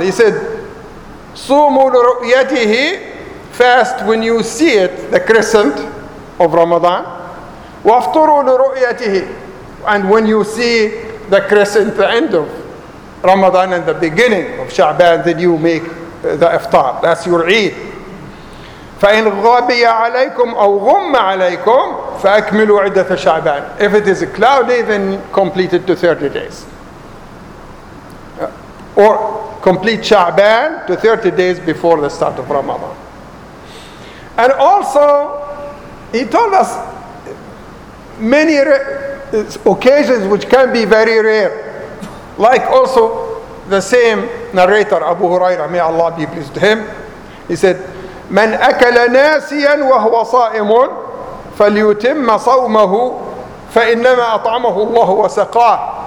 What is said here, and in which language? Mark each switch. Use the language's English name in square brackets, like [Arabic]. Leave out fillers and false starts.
[English] He said, [Arabic] صوم رؤيته, [English] fast when you see it, the crescent of Ramadan. [Arabic] وافطر لرؤيته, [English] and when you see the crescent, the end of Ramadan and the beginning of Sha'ban, then you make the iftar. That's your Eid. [Arabic] فإن غبي عليكم أو غم عليكم فأكملوا عدة شعبان. [English] If it is cloudy, then complete it to 30 days. Or complete Sha'ban to 30 days before the start of Ramadan. And also, he told us many occasions which can be very rare. Like also the same narrator, Abu Huraira, may Allah be pleased to him. He said, [Arabic] من أكل ناسيا وهو صائم فليتم صومه فإنما أطعمه الله وسقاه.